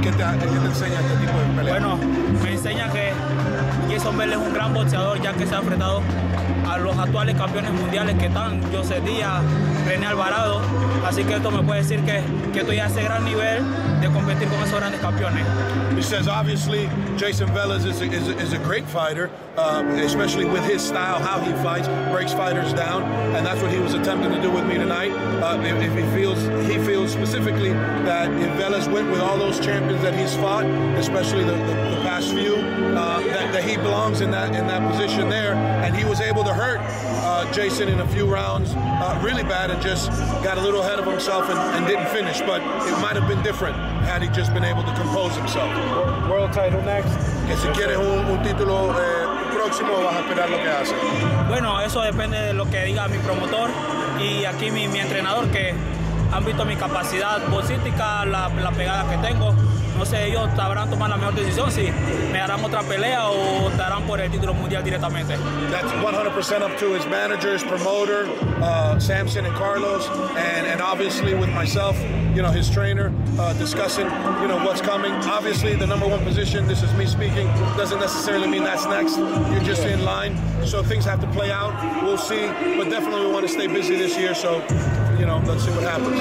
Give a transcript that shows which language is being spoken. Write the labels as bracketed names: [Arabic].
[Spanish] ¿Qué te enseña este tipo de pelea? Bueno, me enseña que Jason Bell es un gran boxeador, ya que se ha enfrentado a los actuales campeones mundiales que están José Díaz, René Alvarado. Así que esto me puede decir que estoy a ese gran nivel de competir con esos grandes campeones. [English] He says obviously Jason Velez is a great fighter, especially with his style, how he fights, breaks fighters down, and that's what he was attempting to do with me tonight. If he feels specifically that if Velez went with all those champions that he's fought, especially the past few, that he belongs in that position there, and he was able to hurt Jason in a few rounds really bad and just got a little ahead of himself and didn't finish, but it might have been different had he just been able to compose himself. World title next. [Spanish] Que si quieres un título próximo, vas a esperar lo que hace. Bueno, eso depende de lo que diga mi promotor y aquí mi entrenador, que han visto mi capacidad boxística, la pegada que tengo. No sé, ellos sabrán tomar la mejor decisión si me darán otra pelea o darán por el título mundial directamente. [English] That's 100% up to his managers, promoter, Samson and Carlos, and obviously with myself, you know, his trainer, discussing, you know, what's coming. Obviously, the number one position, this is me speaking, doesn't necessarily mean that's next. You're just in line, so things have to play out. We'll see, but definitely we want to stay busy this year, so, you know, let's see what happens.